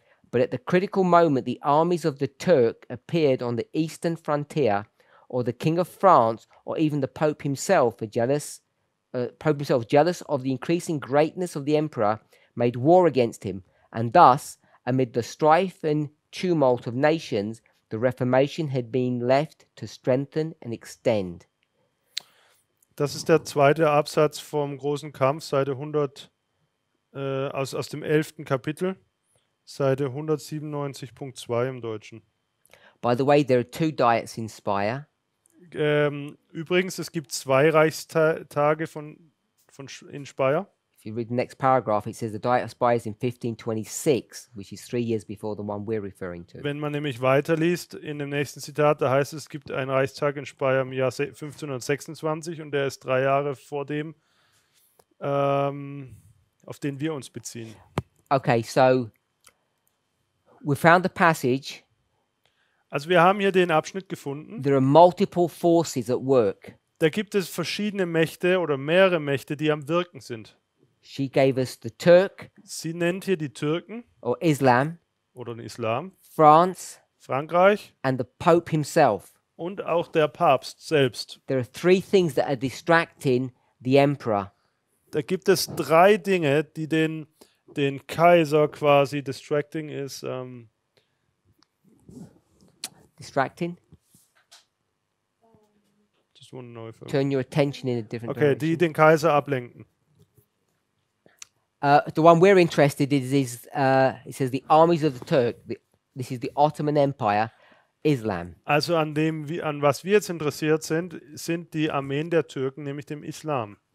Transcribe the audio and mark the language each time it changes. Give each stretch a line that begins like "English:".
English: But at the critical moment, the armies of the Turk appeared on the eastern frontier, or the King of France, or even the Pope himself, jealous of the increasing greatness of the emperor, made war against him. And thus, amid the strife and tumult of nations, the Reformation had been left to strengthen and extend.
German: Das ist der zweite Absatz vom großen Kampf, Seite 100, aus dem 11. Kapitel, Seite 197.2 im Deutschen.
English: By the way, there are two diets in Speyer.
German: Übrigens, es gibt zwei Reichstage in Speyer.
English: If you read the next paragraph, it says the Diet of Speyer is in 1526, which is 3 years before the one we're referring to.
German: Wenn man nämlich weiterliest in dem nächsten Zitat, da heißt es, es gibt einen Reichstag in Speyer im Jahr 1526 und der ist 3 Jahre vor dem, auf den wir uns beziehen.
English: Okay, so we found the passage.
German: Also wir haben hier den Abschnitt gefunden.
English: There are multiple forces at work.
German: Da gibt es verschiedene Mächte oder mehrere Mächte, die am Wirken sind.
English: She gave us the Turk.
German: Sie nennt hier die Türken.
English: Or Islam.
German: Oder den Islam.
English: France.
German: Frankreich.
English: And the Pope himself.
German: Und auch der Papst selbst.
English: There are three things that are distracting the emperor.
German: Da gibt es drei Dinge, die den Kaiser quasi distracting ist.
English: Distracting. Just want to know if turn your attention in a different okay, direction.
German: Okay, die den Kaiser ablenken.
English: The one we're interested in is, it says, the armies of the Turk, this is the Ottoman Empire, Islam.
German: Also an was wir jetzt interessiert sind, sind die Armeen der Türken, nämlich dem Islam.